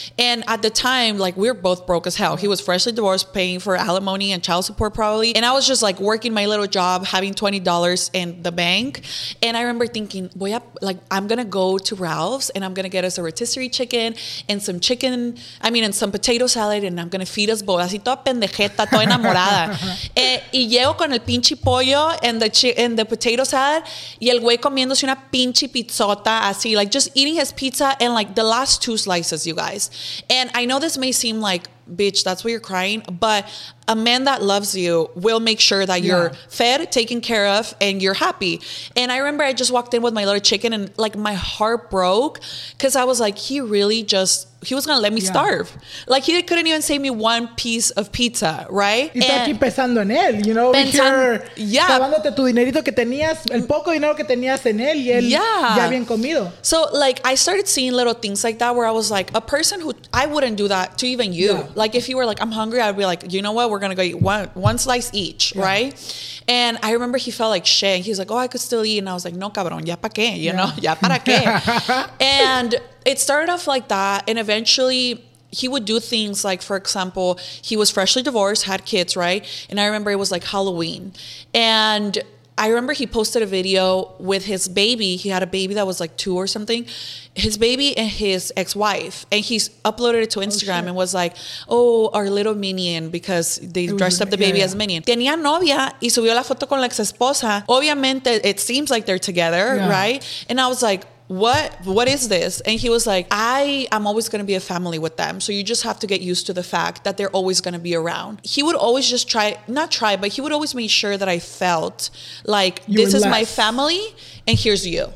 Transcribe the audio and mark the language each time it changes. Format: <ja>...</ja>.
<en>And at the time, like, we were both broke as hell. He was freshly divorced, paying for alimony and child support probably. And I was just like working my little job, having $20 in the bank. And I remember thinking, boy, like, I'm going to go to Ralph's and I'm going to get us a rotisserie chicken and some chicken, I mean, and some potato salad. And I'm going to feed us both.</en> <es>Así toda pendejeta, toda enamorada. Y llego con el pinche pollo</es> <en>and the potato salad.</en> <es>Y el güey comiéndose una pinche pizzota, así,</es> <en>like, just eating his pizza and, like, the last two slices, you guys. And I know this may seem like, bitch, that's why you're crying, but a man that loves you will make sure that you're fed, taken care of, and you're happy. And I remember I just walked in with my little chicken and, like, my heart broke, because I was like, he really just, he was going to let me starve. Like, he couldn't even save me one piece of pizza, right?</en> <es>Y estás aquí pensando en él,</es> <en>you know,</en> <es>clavándote tu dinerito que tenías, el poco dinero que tenías en él, y él ya habían comido.</es> <en>So, like, I started seeing little things like that where I was like, a person who, I wouldn't do that to even you. Yeah. Like, if you were like, I'm hungry, I'd be like, you know what? We're going to go eat one slice each, right? And I remember he felt like shit. He was like, oh, I could still eat. And I was like,</en> <es>no, cabrón, ya pa' qué,</es> <en>you know?</en> <es>Ya para qué.</es> <en>And it started off like that. And eventually he would do things like, for example, he was freshly divorced, had kids, right? And I remember it was like Halloween. And I remember he posted a video with his baby. He had a baby that was like two or something. His baby and his ex-wife. And he uploaded it to Instagram and was like, oh, our little Minion, because they dressed up the baby as Minion.</en> <es>Tenía novia y subió la foto con la ex-esposa.</es> <en>Obviamente, it seems like they're together, right? And I was like, what is this? And he was like, I am always going to be a family with them, so you just have to get used to the fact that they're always going to be around. He would always just try, not try, but he would always make sure that I felt like this is my family and here's you.</en>